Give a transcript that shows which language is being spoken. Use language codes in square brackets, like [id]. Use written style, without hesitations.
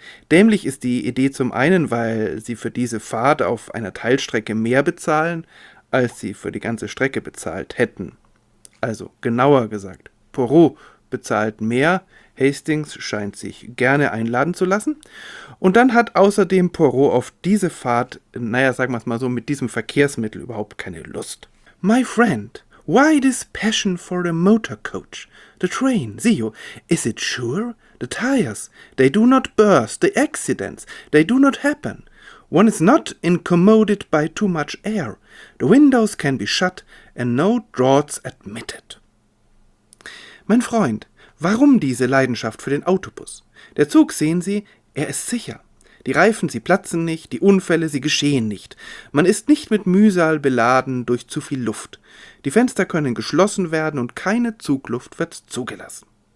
[de] Dämlich ist die Idee zum einen, weil sie für diese Fahrt auf einer Teilstrecke mehr bezahlen, als sie für die ganze Strecke bezahlt hätten. Also genauer gesagt, Poirot bezahlt mehr, Hastings scheint sich gerne einladen zu lassen. Und dann hat außerdem Poirot auf diese Fahrt, naja, sagen wir es mal so, mit diesem Verkehrsmittel überhaupt keine Lust. [en] My friend, why this passion for the motor coach? The train, see you, is it sure? The tires, they do not burst, the accidents, they do not happen. One is not incommoded by too much air. The windows can be shut and no draughts admitted. [de] Mein Freund, warum diese Leidenschaft für den Autobus? Der Zug, sehen Sie, er ist sicher. Die Reifen, sie platzen nicht, die Unfälle, sie geschehen nicht. Man ist nicht mit Mühsal beladen durch zu viel Luft. Die Fenster können geschlossen werden und keine Zugluft wird zugelassen.